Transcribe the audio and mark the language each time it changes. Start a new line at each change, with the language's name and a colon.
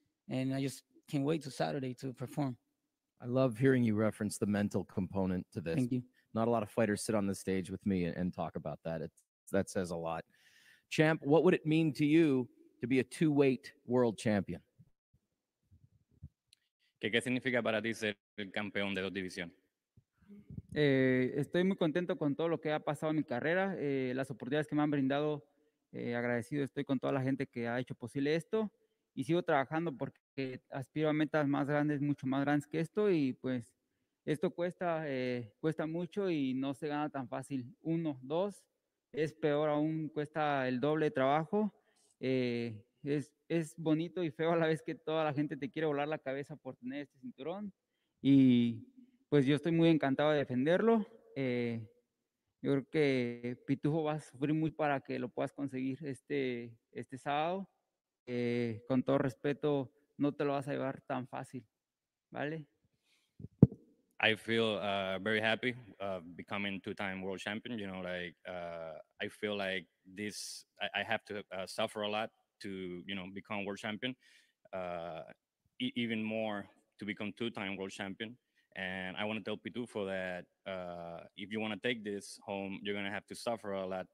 English: And I just can't wait till Saturday to perform. I love hearing you reference the mental component to this. Thank you. Not a lot of fighters sit on the stage with me and talk about that. That says a lot. Champ, what would it mean to you to be a two-weight world champion?
Spanish: ¿Qué significa para ti ser el campeón de dos divisiones? Estoy muy contento con todo lo que ha pasado en mi carrera. Las oportunidades que me han brindado, agradecido estoy con toda la gente que ha hecho posible esto. Y sigo trabajando porque aspiro a metas más grandes, mucho más grandes que esto. Y pues esto cuesta mucho y no se gana tan fácil. Uno, dos, es peor aún, cuesta el doble de trabajo. Es bonito y feo a la vez que toda la gente te quiere volar la cabeza por tener este cinturón. Y pues yo estoy muy encantado de defenderlo. Yo creo que Pitufo va a sufrir muy para que lo puedas conseguir este sábado. Con todo respeto, no te lo vas a llevar tan fácil, ¿vale?
English: I feel very happy becoming two-time world champion. You know, like, I feel like this, I have to suffer a lot to, you know, become world champion, even more to become two-time world champion. And I want to tell Pitufo that if you want to take this home, you're going to have to suffer a lot.